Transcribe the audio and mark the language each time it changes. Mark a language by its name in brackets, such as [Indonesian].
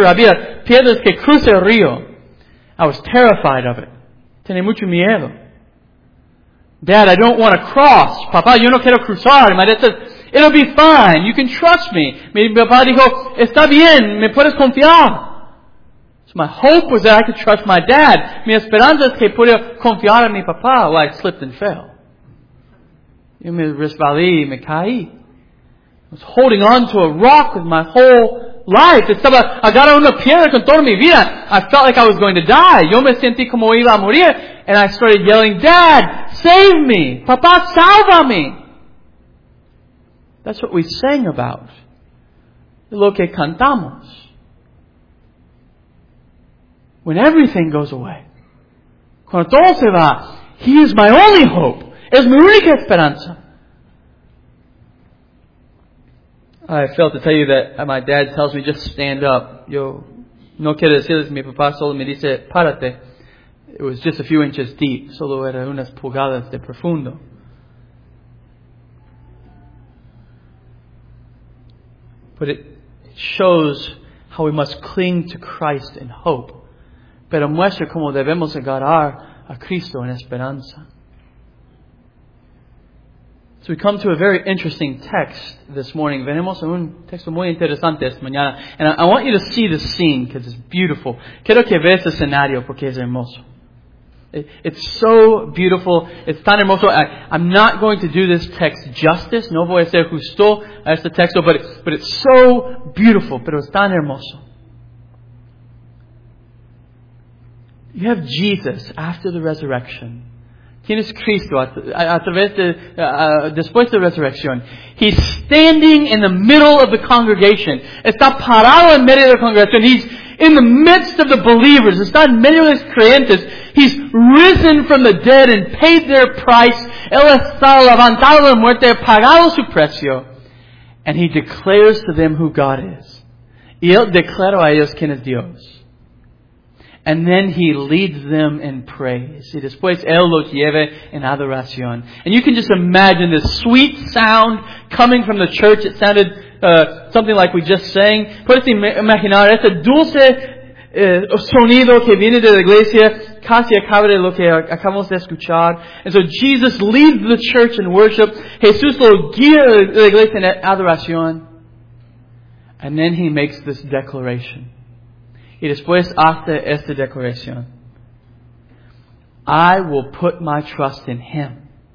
[Spanish] Había piedras que cruzan el río. [English] I was terrified of it. [Spanish] Tenía mucho miedo. [English] Dad, I don't want to cross. [Spanish] Papá, yo no quiero cruzar. [English] My dad said, it'll be fine. You can trust me. [Spanish] Mi papá dijo, está bien. Me puedes confiar. [English] So my hope was that I could trust my dad. [Spanish] Mi esperanza es que pude confiar en mi papá. [English] Well, I slipped and fell. [Spanish] Yo me resbalé, me caí. [English] I was holding on to a rock with my whole life. [Spanish] Estaba agarrado una piedra con toda mi vida. [English] I felt like I was going to die. [Spanish] Yo me sentí como iba a morir. [English] And I started yelling, Dad, save me! [Spanish] Papá, salva me! [English] That's what we sang about. [Spanish] Lo que cantamos. [English] When everything goes away, [Spanish] cuando todo se va, [English] He is my only hope. [Spanish] Es mi única esperanza. [English] I failed to tell you that my dad tells me, just stand up. [Spanish] Yo no quiero decirles, mi papá solo me dice, párate. [English] It was just a few inches deep. [Spanish] Solo era unas pulgadas de profundo. [English] But it shows how we must cling to Christ in hope. [Spanish] Pero muestra cómo debemos agarrar a Cristo en esperanza. [English] So we come to a very interesting text this morning. [Spanish] Venimos a un texto muy interesante esta mañana. [English] And I want you to see the scene because it's beautiful. [Spanish] Quiero que veas el escenario porque es hermoso. [English] It's so beautiful. It's [Spanish] tan hermoso. [English] I'm not going to do this text justice. [Spanish] No voy a hacer justo a este texto, [English] but it's so beautiful. [Spanish] Pero es tan hermoso. [English] You have Jesus after the resurrection. [Spanish] Tienes Cristo a través de después de la resurrección. [English] He's standing in the middle of the congregation. [Spanish] Está parado en medio de la congregación. [English] He's in the midst of the believers. [Spanish] Está en medio de los creyentes. [English] He's risen from the dead and paid their price. [Spanish] Él está levantado de la muerte, pagado su precio. [English] And He declares to them who God is. [Spanish] Y Él declara a ellos quién es Dios. [English] And then He leads them in praise. [Spanish] Y después Él los lleva en adoración. [English] And you can just imagine this sweet sound coming from the church. It sounded something like we just sang. [Spanish] Puedes imaginar este dulce sonido que viene de la iglesia. Casi acaba de lo que acabamos de escuchar. [English] And so Jesus leads the church in worship. [Spanish] Jesús lo guía la iglesia en adoración. [English] And then He makes this declaration. [Spanish] Y después hace esta declaración. [English] I will put my trust in Him.